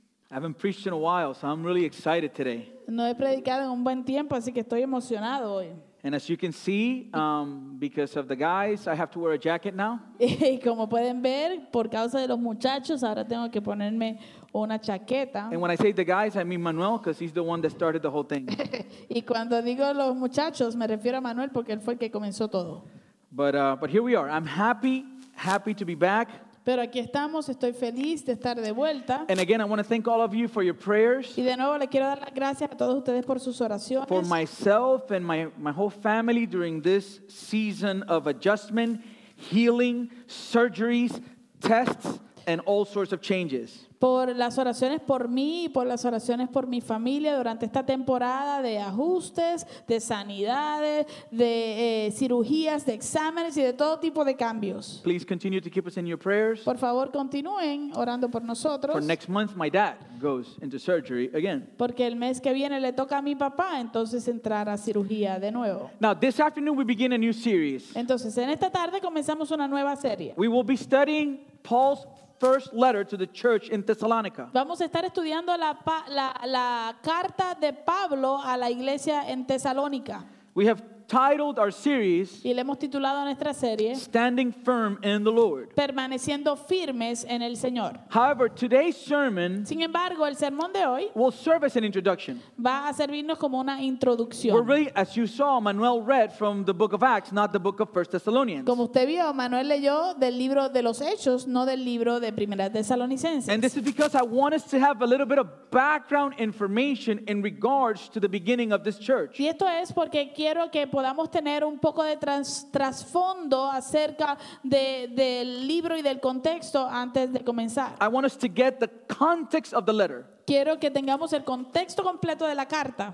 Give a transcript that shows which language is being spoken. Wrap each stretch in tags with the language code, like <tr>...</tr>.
<en>I haven't preached in a while, so I'm really excited today.</en> <es>No he predicado en un buen tiempo, así que estoy emocionado hoy.</es> <en>And as you can see, because of the guys, I have to wear a jacket now.</en> <es>Y como pueden ver, por causa de los muchachos, ahora tengo que ponerme una chaqueta.</es> <en>And when I say the guys, I mean Manuel, because he's the one that started the whole thing.</en> <es>Y cuando digo los muchachos, me refiero a Manuel, porque él fue el que comenzó todo.</es> <en>But here we are. I'm happy to be back.</en> <es>Pero aquí estamos, estoy feliz de estar de vuelta.</es> <en>And again, I want to thank all of you for your prayers.</en> <es>Y de nuevo le quiero dar las gracias a todos ustedes por sus oraciones.</es> <en>For myself and my whole family during this season of adjustment, healing, surgeries, tests, and all sorts of changes.</en> <es>Por las oraciones por mí y por las oraciones por mi familia durante esta temporada de ajustes, de sanidades, de cirugías, de exámenes y de todo tipo de cambios.</es> <en>Please continue to keep us in your prayers.</en> <es>Por favor, continúen orando por nosotros.</es> <en>For next month, my dad goes into surgery again.</en> <es>Porque el mes que viene le toca a mi papá entonces entrar a cirugía de nuevo.</es> <en>Now, this afternoon we begin a new series.</en> <es>Entonces, en esta tarde comenzamos una nueva serie.</es> <en>We will be studying Paul's first letter to the church in Thessalonica.</en> <es>Vamos a estar estudiando la carta de Pablo a la iglesia en Tesalónica.</es> <en>We have titled our series,</en> <es>y le hemos titulado nuestra serie,</es> <en>Standing Firm in the Lord.</en> <es>Permaneciendo firmes en el Señor.</es> <en>However, today's sermon,</en> <es>sin embargo, el sermón de hoy,</es> <en>will serve as an introduction.</en> <es>Va a servirnos como una introducción.</es> <en>We're really, as you saw, Manuel read from the book of Acts, not the book of 1 Thessalonians.</en> <es>Como usted vio, Manuel leyó del libro de los Hechos, no del libro de Primera Tesalonicenses.</es> <en>And this is because I want us to have a little bit of background information in regards to the beginning of this church.</en> <es>Y esto es porque quiero que podamos tener un poco de trasfondo acerca del libro y del contexto antes de comenzar.</es> <en>I want us to get the context of the letter.</en> <es>Quiero que tengamos el contexto completo de la carta.</es>